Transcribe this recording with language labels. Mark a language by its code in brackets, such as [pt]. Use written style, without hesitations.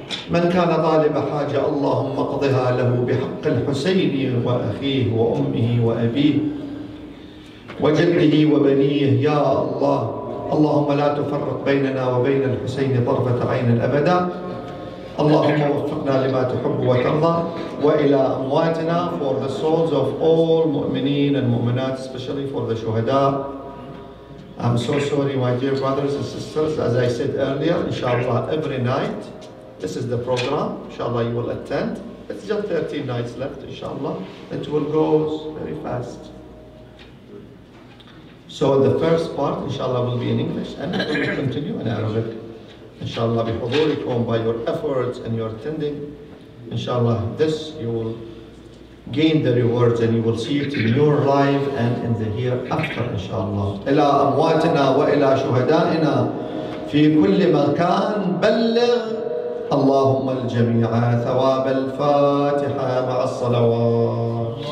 [ar] من كان طالب حاجة اللهم اقضها له بحق الحسين وأخيه وأمه وأبيه وجده وبنيه يا الله. اللهم لا تفرق بيننا وبين الحسين طرفة عين أبدا. اللهم وفقنا لما تحب وترضى وإلى أمواتنا. [en] For the souls of all مؤمنين and مؤمنات, especially for the شهداء. I'm so sorry my dear brothers and sisters, as I said earlier, inshallah every night this is the program, inshallah you will attend. It's just 13 nights left, inshallah it will go very fast. So the first part inshallah will be in English and it will continue in Arabic. Inshallah, [ar] بحضوركم, [en] by your efforts and your attending, inshallah, this you will gain the rewards and you will see it in your life and in the hereafter, inshallah. [ar] إلى أمواتنا وإلى شهدائنا في كل مكان بلغ اللهم الجميع ثواب الفاتحة مع الصلوات.